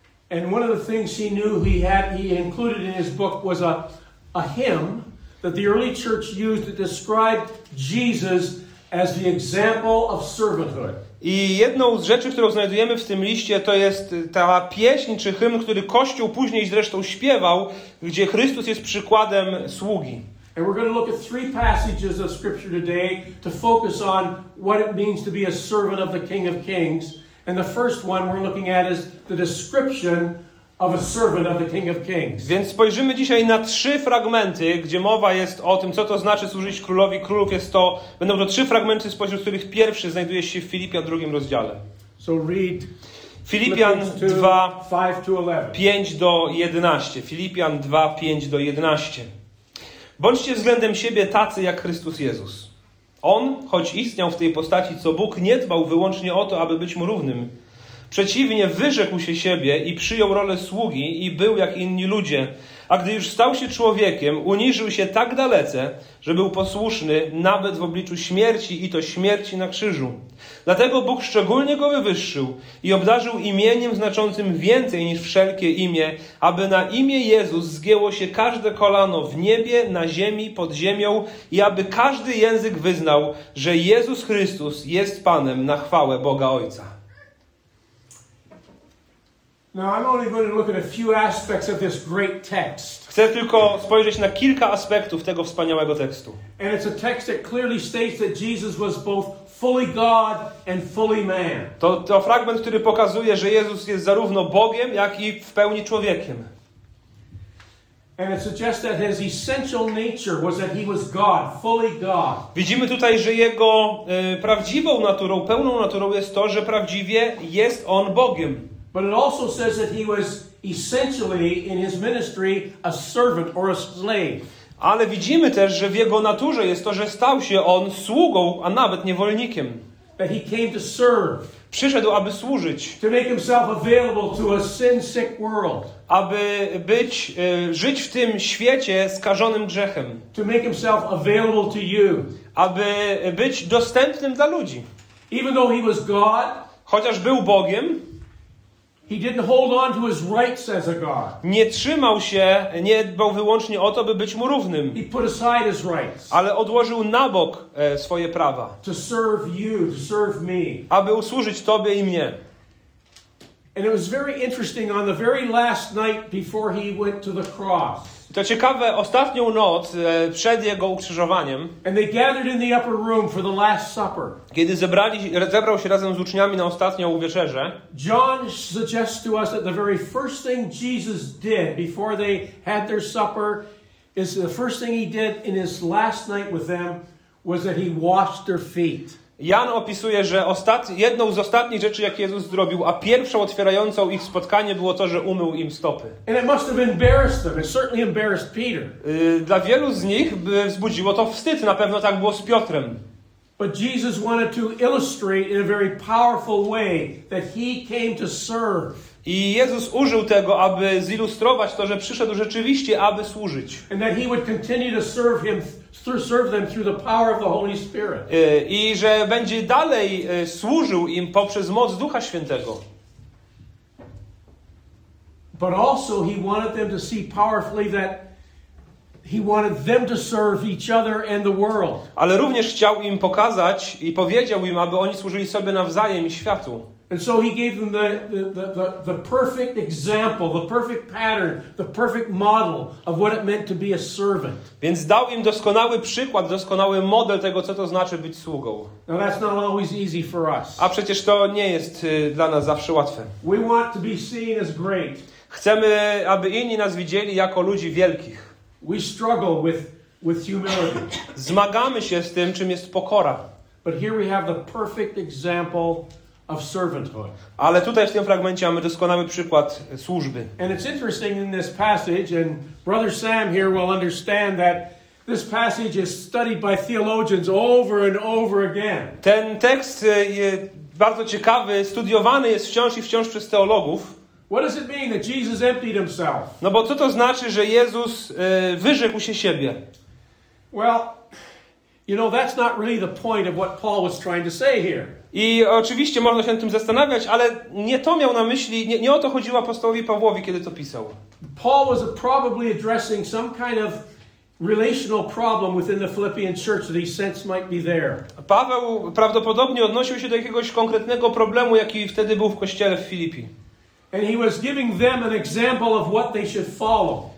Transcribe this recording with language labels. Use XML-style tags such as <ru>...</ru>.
<en>And one of the things he knew he had, he included in his book was a hymn that the early church used to describe Jesus as the example of servanthood.</en> <pl>I jedną z rzeczy, którą znajdujemy w tym liście, to jest ta pieśń czy hymn, który Kościół później zresztą śpiewał, gdzie Chrystus jest przykładem sługi.</pl> <en>And we're going to look at three passages of scripture today to focus on what it means to be a servant of the King of Kings. And the first one we're looking at is the description of a servant of the King of Kings.</en> <pl>Więc spojrzymy dzisiaj na trzy fragmenty, gdzie mowa jest o tym, co to znaczy służyć Królowi Królów. Jest to, będą to trzy fragmenty, spośród których pierwszy znajduje się w Filipian 2 rozdziale.</pl> <en>So read</en> <pl>Filipian 2, 5 do 11. Filipian 2, 5 do 11. Bądźcie względem siebie tacy jak Chrystus Jezus. On, choć istniał w tej postaci, co Bóg, nie dbał wyłącznie o to, aby być mu równym. Przeciwnie, wyrzekł się siebie i przyjął rolę sługi i był jak inni ludzie. A gdy już stał się człowiekiem, uniżył się tak dalece, że był posłuszny nawet w obliczu śmierci, i to śmierci na krzyżu. Dlatego Bóg szczególnie go wywyższył i obdarzył imieniem znaczącym więcej niż wszelkie imię, aby na imię Jezus zgięło się każde kolano w niebie, na ziemi, pod ziemią i aby każdy język wyznał, że Jezus Chrystus jest Panem na chwałę Boga Ojca.</pl> <en>Now I'm only going to look at a few aspects of this great text.</en> <pl>Chcę tylko spojrzeć na kilka aspektów tego wspaniałego tekstu.</pl> <en>And it's a text that clearly states that Jesus was both fully God and fully man.</en> <pl>To fragment, który pokazuje, że Jezus jest zarówno Bogiem, jak i w pełni człowiekiem.</pl> <en>And it suggests that his essential nature was that he was God, fully God.</en> <pl>Widzimy tutaj, że jego prawdziwą naturą, pełną naturą jest to, że prawdziwie jest on Bogiem.</pl> <en>But it also says that he was essentially in his ministry a servant or a slave.</en> <pl>Ale widzimy też, że w jego naturze jest to, że stał się on sługą, a nawet niewolnikiem.</pl> <en>That he came to serve.</en> <pl>Przyszedł, aby służyć.</pl> <en>To make himself available to a sin-sick world.</en> <pl>Aby być, żyć w tym świecie skażonym grzechem.</pl> <en>To make himself available to you.</en> <pl>Aby być dostępnym dla ludzi.</pl> <en>Even though he was God,</en> <pl>chociaż był Bogiem,</pl> <en>he didn't hold on to his rights as a God.</en> <pl>Nie trzymał się, nie dbał wyłącznie o to, by być mu równym.</pl> <en>He put aside his rights.</en> <pl>Ale odłożył na bok swoje prawa.</pl> <en>To serve you, to serve me.</en> <pl>Aby usłużyć tobie i mnie.</pl> <en>And it was very interesting on the very last night before he went to the cross.</en> <pl>To ciekawe, ostatnią noc przed jego ukrzyżowaniem,</pl> <en>and they gathered in the upper room for the last supper,</en> <pl>kiedy zebrał się razem z uczniami na ostatnią wieczerzę,</pl> <en>John suggests to us that the very first thing Jesus did before they had their supper is the first thing he did in his last night with them was that he washed their feet.</en> <pl>Jan opisuje, że jedną z ostatnich rzeczy, jakie Jezus zrobił, a pierwszą otwierającą ich spotkanie było to, że umył im stopy.</pl> <en>And it must have embarrassed them. It certainly embarrassed Peter.</en> <pl>Dla wielu z nich by wzbudziło to wstyd. Na pewno tak było z Piotrem.</pl> <en>But Jesus wanted to illustrate in a very powerful way that he came to serve.</en> <pl>I Jezus użył tego, aby zilustrować to, że przyszedł rzeczywiście, aby służyć.</pl> <en>And that he would continue to serve him through serve them through the power of the Holy Spirit.</en> <pl>I że będzie dalej służył im poprzez moc Ducha Świętego.</pl> <en>But also he wanted them to see powerfully that he wanted them to serve each other and the world.</en> <pl>Ale również chciał im pokazać i powiedział im, aby oni służyli sobie nawzajem i światu.</pl> <en>And so he gave them the perfect example, the perfect pattern, the perfect model of what it meant to be a servant.</en> <pl>Więc dał im doskonały przykład, doskonały model tego, co to znaczy być sługą.</pl> <en>Now that's not always easy for us.</en> <pl>A przecież to nie jest dla nas zawsze łatwe.</pl> <en>We want to be seen as great.</en> <pl>Chcemy, aby inni nas widzieli jako ludzi wielkich.</pl> <en>We struggle with humility.</en> <pl>Zmagamy się z tym, czym jest pokora.</pl> <en>But here we have the perfect example of servanthood.</en> <pl>Ale tutaj w tym fragmencie mamy doskonały przykład służby.</pl> <en>And it's interesting in this passage, and Brother Sam here will understand that this passage is studied by theologians over and over again.</en> <pl>Ten tekst jest bardzo ciekawy, studiowany jest wciąż i wciąż przez teologów.</pl> <en>What does it mean that Jesus emptied himself?</en> <pl>No bo co to znaczy, że Jezus wyrzekł się siebie?</pl> <en>Well, you know, that's not really the point of what Paul was trying to say here.</en> <pl>I oczywiście można się nad tym zastanawiać, ale nie to miał na myśli, nie o to chodziło apostołowi Pawłowi, kiedy to pisał.</pl> <en>Paul was probably addressing some kind of relational problem within the Philippian church that he sensed might be there.</en> <pl>Paweł prawdopodobnie odnosił się do jakiegoś konkretnego problemu, jaki wtedy był w kościele w Filipii.</pl> <en>And he was giving them an example of what they should follow.</en>